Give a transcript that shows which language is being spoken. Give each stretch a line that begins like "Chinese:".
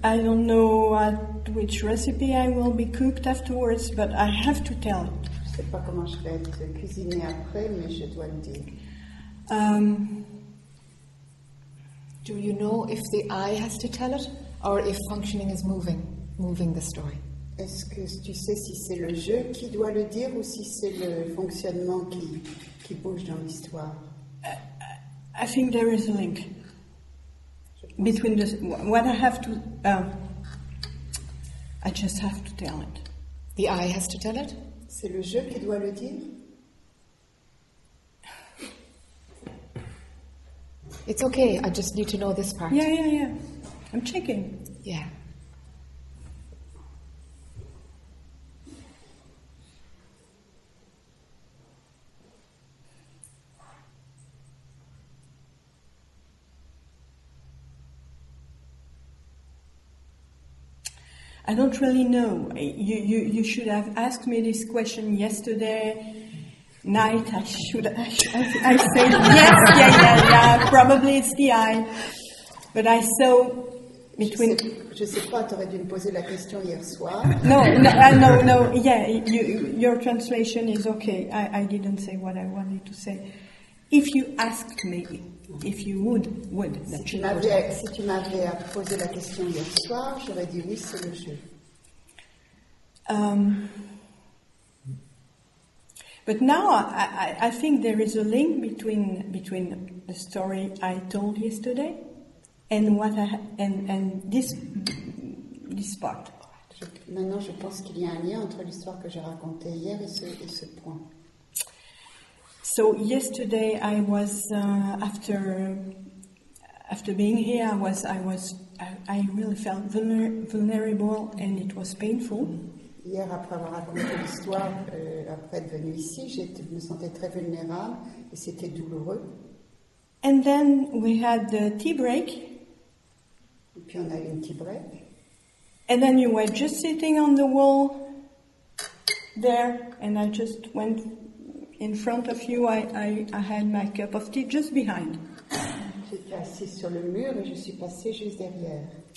English: I don't know which recipe I will be cooked afterwards, but I have to tell.
French: Je sais pas comment je vais être cuisinée après, mais je dois le dire.
English: Do you know if the eye has to tell it? Or if functioning is moving the story.
French: Est-ce que tu sais si c'est le jeu qui doit le dire ou si c'est le fonctionnement qui bouge dans l'histoire?
English: I think there is a link between the what I have to. I just have to tell it. The eye has to tell it.
French: C'est le jeu qui doit le dire.
English: It's okay. I just need to know this part. Yeah. I'm checking. Yeah. I don't really know. You should have asked me this question yesterday night. I said yes, probably it's the eye. But I saw between.
French: Je sais pas, tu aurais dû me poser la question hier soir.
English: No. Yeah, your translation is okay. I didn't say what I wanted to say. If you asked me, if you would.
French: Si tu m'avais posé la question hier soir, j'aurais dit oui, c'est le jeu.
English: But now I think there is a link between the story I told yesterday and what I and this part.
French: Maintenant, je pense qu'il y a un lien entre l'histoire que j'ai racontée hier et ce point.
English: So yesterday I was after being here, I really felt vulnerable and it was painful.
French: Hier, après avoir raconté l'histoire, après être venu ici, je me sentais très vulnérable et c'était douloureux.
English: And then we had the tea break.
French: Et puis on a eu une tea break.
English: And then you were just sitting on the wall there, and I just went in front of you. I had my cup of tea just behind.
French: J'étais assise sur le mur et je suis passée juste derrière.